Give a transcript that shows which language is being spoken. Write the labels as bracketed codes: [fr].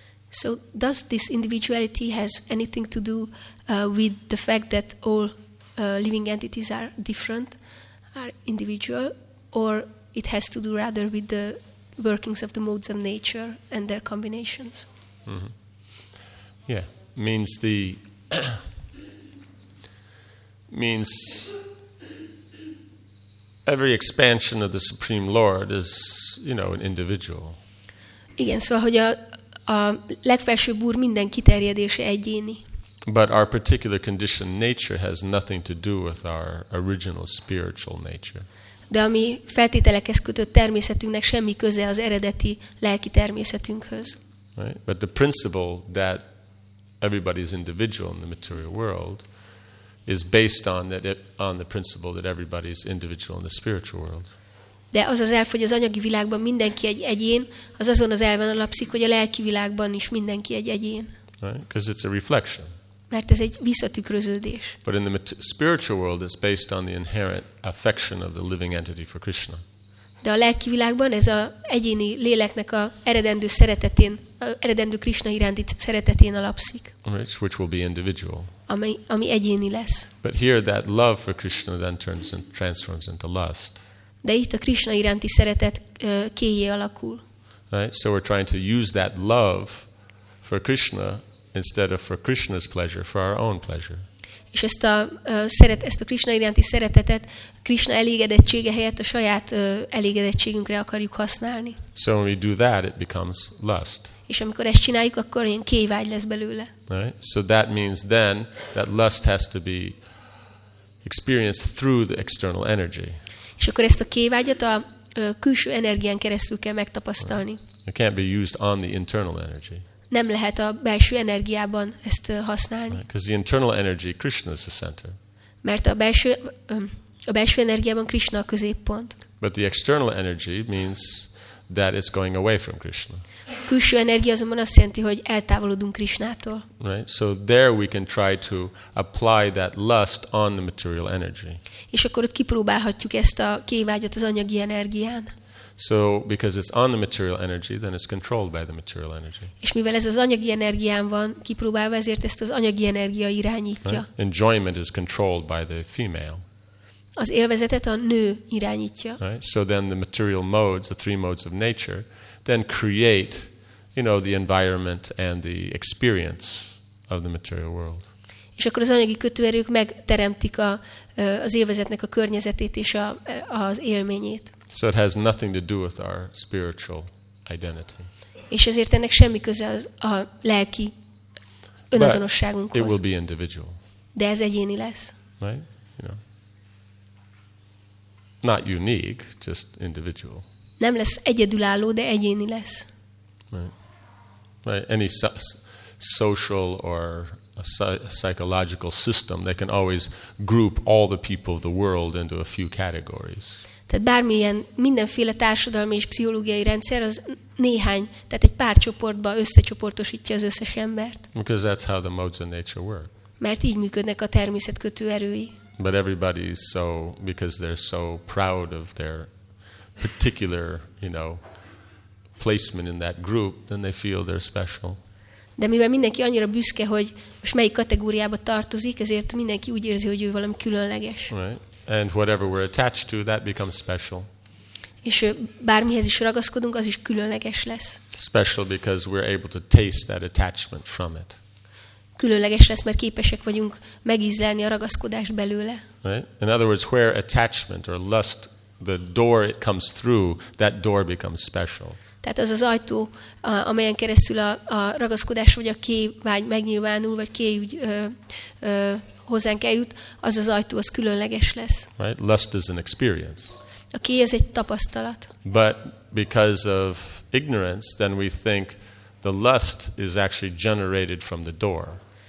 [en] So does this individuality has anything to do with the fact that all living entities are different, are individual, or it has to do rather with the workings of the modes of nature and their combinations? Mm-hmm. Yeah, means the means every expansion of the Supreme Lord is, you know, an individual. [hu] Igen, szóval hogy a legfelsőbb úr minden kiterjedése egyéni. [en] But our particular conditioned nature has nothing to do with our original spiritual nature. [hu] De a mi feltételekhez kötött természetünknek semmi köze az eredeti lelki természetünkhöz. [en] Right? But the principle that everybody's individual in the material world is based on that it, on the principle that everybody's individual in the spiritual world. [hu] De az az elf, hogy az anyagi világban mindenki egy egyén, az azon az elven alapszik, hogy a lelki világban is mindenki egy egyén. [en] Because it's a reflection. [hu] Mert ez egy visszatükröződés. [en] But in the spiritual world, it's based on the inherent affection of the living entity for Krishna. [hu] De a lelki világban ez a egyéni léleknek a eredendő szeretetén, a eredendő Krishna iránti szeretetén alapszik. [en] Which will be individual. [hu] Ami egyéni lesz. [en] But here that love for Krishna then turns and transforms into lust. [hu] De itt a Krishna iránti szeretet kéjé alakul. [en] Right? So we're trying to use that love for Krishna instead of for Krishna's pleasure, for our own pleasure. [hu] És ezt a ezt a Krishna iránti szeretetet Krishna elégedettsége helyett a saját elégedettségünkre akarjuk használni. [en] So when we do that, it becomes lust. [hu] És amikor ezt csináljuk, akkor ilyen kévágy lesz belőle. [en] Right? So that means then that lust has to be experienced through the external energy. [hu] És akkor ezt a kévágyat a külső energián keresztül kell megtapasztalni. [en] It can't be used on the internal energy. [hu] Nem lehet a belső energiában ezt használni. [en] Because the internal energy, Krishna is the center. [hu] Mert a belső energiában Krishna a középpont. [en] But the external energy means that it's going away from Krishna. [hu] Külső energia azonban azt jelenti, hogy eltávolodunk Krishnától. [en] Right? So there we can try to apply that lust on the material energy. [hu] És akkor ott kipróbálhatjuk ezt a kévágyat az anyagi energián. [en] So because it's on the material energy, then it's controlled by the material energy. [hu] És mivel ez az anyagi energián van kipróbálva, ezért ezt az anyagi energia irányítja. [en] Right? Enjoyment is controlled by the female. [hu] Az élvezetet a nő irányítja. [en] Right? So then the material modes, the three modes of nature, then create, you know, the environment and the experience of the material world. [hu] És akkor az anyagi kötőerők megteremtik az élvezetnek a környezetét és az élményét. [en] So it has nothing to do with our spiritual identity. [hu] És ezért ennek semmi köze a lelki önazonosságunkhoz. [en] But it will be individual. [hu] De ez egyéni lesz. [en] Right? You know. Not unique, just individual. [hu] Nem lesz egyedülálló, de egyéni lesz. [en] Right. Right. Any social or a psychological system, they can always group all the people of the world into a few categories. [hu] Tehát bármilyen, mindenféle társadalmi és pszichológiai rendszer, az néhány, tehát egy pár csoportba összecsoportosítja az összes embert. [en] Because that's how the modes of nature work. [hu] Mert így működnek a természet kötőerői. [en] But everybody is so, because they're so proud of their particular, you know, placement in that group, then they feel they're special. [hu] De mivel mindenki annyira büszke, hogy most melyik kategóriába tartozik, ezért mindenki úgy érzi, hogy ő valami különleges. [en] Right. And whatever we're attached to, that becomes special. [hu] És bármihez is ragaszkodunk, az is különleges lesz. [en] Special because we're able to taste that attachment from it. [hu] Különleges lesz, mert képesek vagyunk megízlelni a ragaszkodást belőle. [en] Right. In other words, where attachment or lust, the door it comes through, that door becomes special. [hu] Tehát az az ajtó, amelyen keresztül a ragaszkodás vagy a kévágy megnyilvánul, vagy kéjügy hozzánk eljut, az az ajtó, az különleges lesz. [en] Right? Lust is an experience. [hu] A kéj az egy tapasztalat. [en] But because of ignorance, then we think the lust is actually generated from the door.